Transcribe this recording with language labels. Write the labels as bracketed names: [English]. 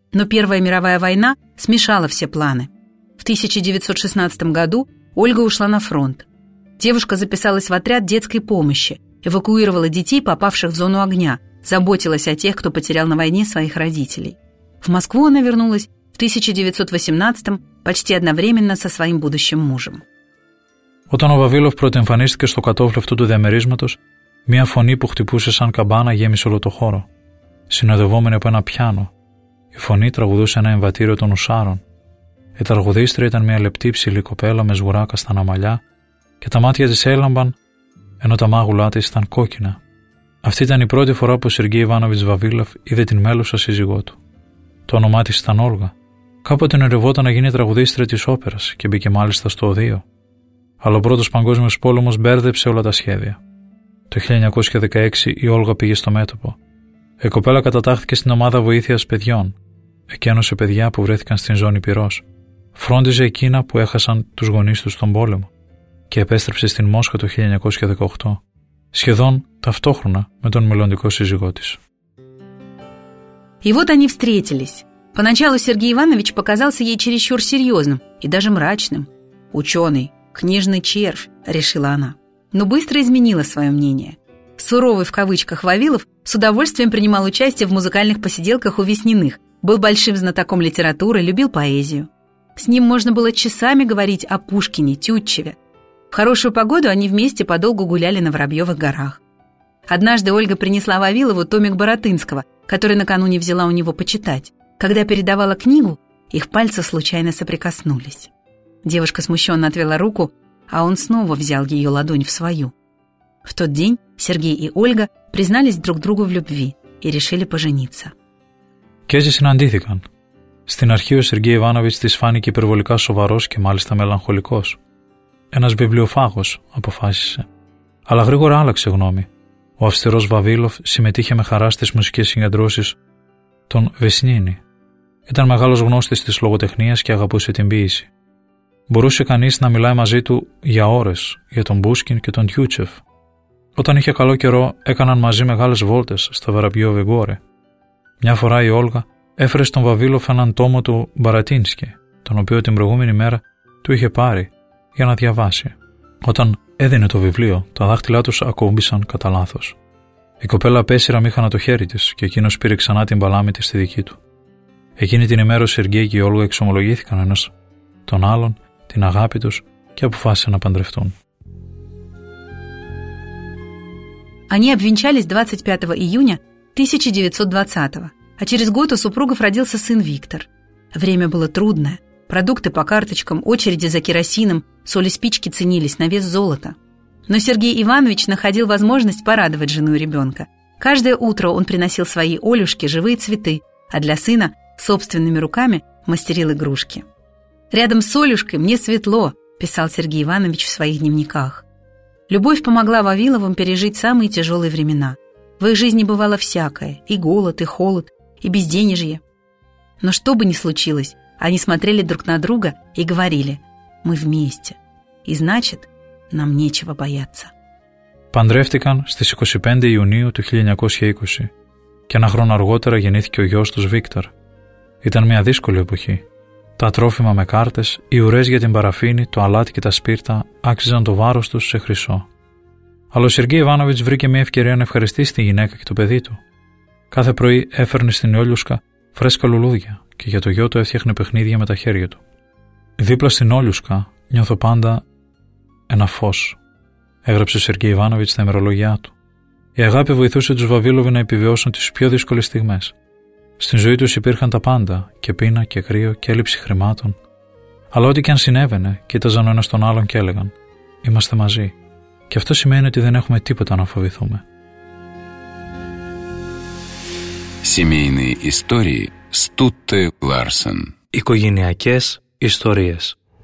[Russian] Но Первая мировая война смешала все планы. В 1916 году Ольга ушла на фронт. Девушка записалась в отряд детской помощи, эвакуировала детей, попавших в зону огня, заботилась о тех, кто потерял на войне своих родителей. В Москву она вернулась в 1918 почти одновременно со своим будущим мужем. [Greek] Όταν ο Βαβίλοφ πρωτοεμφανίστηκε στο κατόφλι αυτού του διαμερίσματος, μια φωνή που χτυπούσε σαν καμπάνα γέμισε όλο το χώρο, συνοδευόμενη από ένα πιάνο. Η φωνή τραγουδούσε ένα εμβατήριο των Ουσάρων. Η τραγουδίστρια ήταν μια λεπτή ψηλή κοπέλα με σγουρά καστανά μαλλιά και τα μάτια της έλαμπαν, ενώ τα μάγουλά της ήταν κόκκινα. Αυτή ήταν η πρώτη φορά που ο Σεργέι Ιβάνοβιτς Βαβίλοφ είδε την μέλουσα σύζυγό του. Το όνομά της ήταν Όλγα. Κάποτε ονειρευόταν να γίνει τραγουδίστρια της όπερας και μπήκε μάλιστα στο οδείο. Αλλά ο Πρώτος Παγκόσμιος Πόλεμος μπέρδεψε όλα τα σχέδια. Το 1916 η Όλγα πήγε στο μέτωπο. Η κοπέλα κατατάχθηκε στην ομάδα βοήθειας παιδιών. Εκένωσε παιδιά που βρέθηκαν στην ζώνη πυρός. Φρόντιζε εκείνα που έχασαν τους γονείς τους στον πόλεμο. Και επέστρεψε στην Μόσχα το 1918. Σχεδόν ταυτόχρονα με τον μελλοντικό σύζυγό της. [Russian] И вот они встретились. Поначалу Сергей Иванович показался ей чересчур серьезным и даже мрачным. Ученый, книжный червь, решила она. Но быстро изменила свое мнение. Суровый в кавычках Вавилов с удовольствием принимал участие в музыкальных посиделках у Весниных, был большим знатоком литературы, любил поэзию. С ним можно было часами говорить о Пушкине, Тютчеве. В хорошую погоду они вместе подолгу гуляли на Воробьевых горах. Однажды Ольга принесла Вавилову томик Боротынского, который накануне взяла у него почитать. Когда передавала книгу, их пальцы случайно соприкоснулись. Девушка смущенно отвела руку, а он снова взял ее ладонь в свою. В тот день Сергей и Ольга признались друг другу в любви и решили пожениться. [Greek] Και έτσι συναντήθηκαν. Στην αρχή ο Σεργέι Ιβάνοβιτς της φάνηκε υπερβολικά σοβαρός και μάλιστα μελαγχολικός. Ένας βιβλιοφάγος, αποφάσισε. Αλλά γρήγορα άλλαξε γνώμη. Ο αυστηρός Βαβίλοφ συμμετείχε με χαρά στις μουσικές συγκεντρώσεις των Βεσνίνη. Ήταν μεγάλος γνώστης της λογοτεχνίας και αγαπούσε την ποίηση. Μπορούσε κανείς να μιλάει μαζί του για ώρες, για τον Πούσκιν και τον Τιούτσεφ. Όταν είχε καλό καιρό, έκαναν μαζί μεγάλες βόλτες στα Βεραμπιόβε Γκόρε. Μια φορά η Όλγα έφερε στον Βαβίλοφ έναν τόμο του Μπαρατίνσκι, τον οποίο την προηγούμενη μέρα του είχε πάρει για να διαβάσει. Όταν έδινε το βιβλίο, τα δάχτυλά τους ακούμπησαν κατά λάθος. Η κοπέλα απέσυρα μήχανα το χέρι της και εκείνος πήρε ξανά την παλάμη της στη δική του. Εκείνη την ημέρα ο Σεργέι και η Όλγα εξομολογήθηκαν ένας τον άλλον, την αγάπη τους και αποφάσισαν να παντρευτούν. [Russian] Они обвенчались 25 июня 1920-го, а через год у супругов родился сын Виктор. Время было трудное. Продукты по карточкам, очереди за керосином, соль и спички ценились на вес золота. Но Сергей Иванович находил возможность порадовать жену и ребенка. Каждое утро он приносил своей Олюшке живые цветы, а для сына собственными руками мастерил игрушки. «Рядом с Олюшкой мне светло», – писал Сергей Иванович в своих дневниках. Любовь помогла Вавиловым пережить самые тяжелые времена. В их жизни бывало всякое – и голод, и холод, и безденежье. Но что бы ни случилось, они смотрели друг на друга и говорили: «Мы вместе, и значит, нам нечего бояться». [Greek] Παντρεύτηκαν στις 25 Ιουνίου του 1920 και ένα χρόνο αργότερα γεννήθηκε ο γιος τους Βίκτορ. Ήταν μια δύσκολη εποχή. Τα τρόφιμα με κάρτες, οι ουρές για την παραφίνη, το αλάτι και τα σπίρτα άξιζαν το βάρος τους σε χρυσό. Αλλά ο Σεργέι Ιβάνοβιτς βρήκε μια ευκαιρία να ευχαριστήσει τη γυναίκα και το παιδί του. Κάθε πρωί έφερνε στην Όλιουσκα φρέσκα λουλούδια και για το γιο του έφτιαχνε παιχνίδια με τα χέρια του. «Δίπλα στην Όλιουσκα νιώθω πάντα ένα φως», έγραψε ο Σεργέι Ιβάνοβιτς στα ημερολόγιά του. Η αγάπη βοηθούσε τους Βαβύλοβοι να επιβιώσουν τις πιο δύσκολες στιγμές. Στην ζωή τους υπήρχαν τα πάντα, και πείνα και κρύο και έλλειψη χρημάτων. Αλλά ό,τι και αν συνέβαινε, κοίταζαν ο ένας τον άλλον και έλεγαν: «Είμαστε μαζί». Και αυτό σημαίνει ότι δεν έχουμε τίποτα να φοβηθούμε. [Russian] Семейные истории Стутте Ларсен. [Greek] Οικογενειακές ιστορίες.